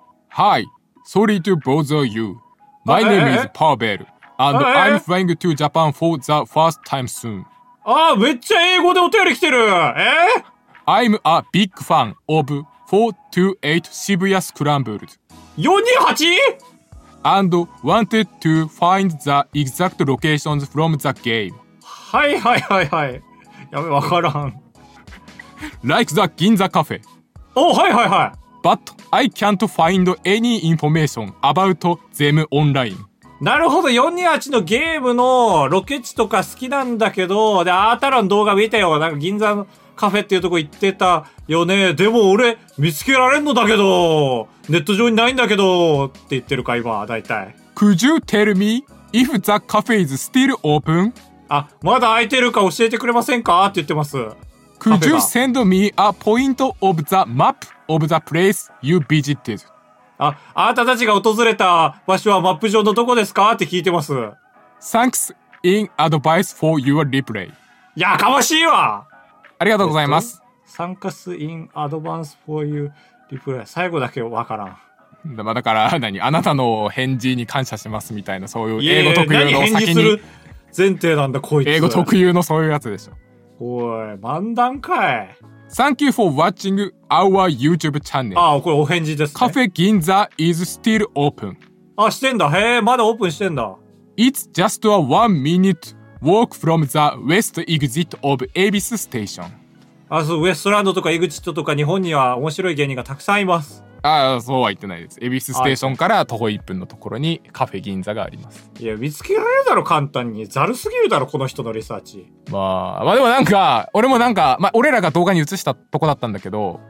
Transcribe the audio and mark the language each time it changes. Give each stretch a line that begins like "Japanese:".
English: Hi sorry to bother you, my name is Pavel and I'm flying to Japan for the first time soon。
Japanese: ああ、めっちゃ英語でお便り来てる。
English: I'm a big fan of 428 Shibuya Scrambled.
Japanese: 428?
English: And wanted to find the exact locations from the game.
Japanese: はいはいはいはい。やべ、わからん。
English: Like the Ginza Cafe.
Japanese: お、はいはいはい。
English: But I can't find any information about them online.
Japanese: なるほど、428のゲームのロケ地とか好きなんだけど、で、アータラの動画見たよ。なんか銀座のカフェっていうとこ行ってたよね。でも俺見つけられんのだけど、ネット上にないんだけど、って言ってるか今、だいたい。
English: Could you tell me if the cafe is still open?
Japanese: あ、まだ開いてるか教えてくれませんかって言ってます。
English: Could you send me a point of the map of the place you visited?
Japanese: あ、あなたたちが訪れた場所はマップ上のどこですかって聞いてます。
English: Thanks in advice for your reply。
Japanese: やかましいわ。ありがとうございます。
English: Thanks in advance for your reply。
Japanese: 最後だけわからん。まあ、だから何、あなたの返事に感謝しますみたいな、そういう英語特有の先に前提なんだこいつ。英語特有のそういうやつでしょ。おい、漫談かい。
English: Thank you for watching our YouTube channel.
Japanese: ああ、これお返事ですね。
English: Cafe Ginza is still open.
Japanese: あ、してんだ。へえ、まだオープンしてんだ。
English: It's just a 1 minute walk from the west exit of Abis Station.
Japanese: あ、そう、ウエストランドとかエグジットとか日本には面白い芸人がたくさんいます。ああ、そうは言ってないです。 Abis Stationから徒歩1分のところにカフェ銀座があります。いや、見つけられるだろ、簡単に。ざるすぎるだろ、この人のリサーチ。まあ、まあでもなんか、俺もなんか、まあ俺らが動画に映したとこだったんだけど、